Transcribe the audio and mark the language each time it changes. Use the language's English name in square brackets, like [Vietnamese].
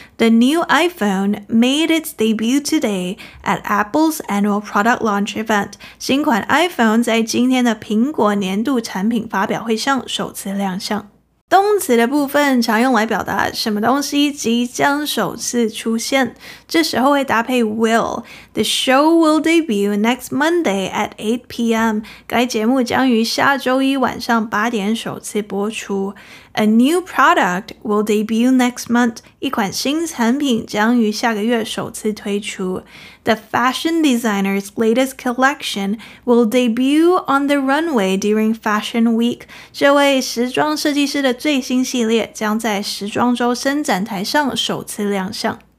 [English] The new iPhone made its debut today at Apple's annual product launch event. [Chinese] 新款 iPhone 在今天的苹果年度产品发表会上首次亮相。动词的部分常用来表达什么东西即将首次出现，这时候会搭配 will。 [English] The show will debut next Monday at 8 p.m. [Chinese] 该节目将于下周一晚上8点首次播出。 [English] A new product will debut next month， [Chinese] 一款新产品将于下个月首次推出。 [English] The fashion designer's latest collection will debut on the runway during fashion week， [Chinese] 这位时装设计师的最新系列将在时装周伸展台上首次亮相。